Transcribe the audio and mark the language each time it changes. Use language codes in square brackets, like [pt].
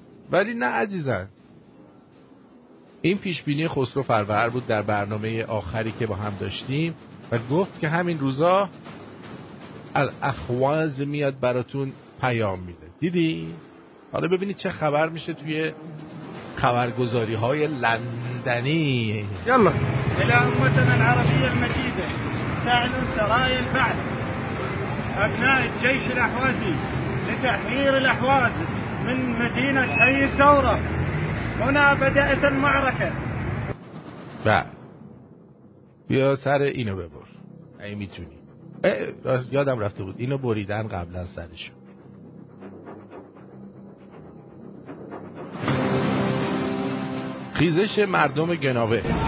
[fa] ولی نه عزیزان، این پیشبینی خسرو فرور بود در برنامه آخری که با هم داشتیم و گفت که همین روزا الاخواز میاد براتون پیام میده. دیدی؟ حالا ببینید چه خبر میشه توی خبرگزاری های لندنی. یلا [ar] الى امتنا العربية المجيدة تعلن سرايا البعث ابناء الجيش الاحوازي لتحرير الاحواز من مدينة حي الثورة، هنا بدأت المعركة. [fa] بعد بیا سر اینو ببر اگه میتونی. یادم رفته بود اینو بریدن قبلا سرشو. خیزش مردم گناوه.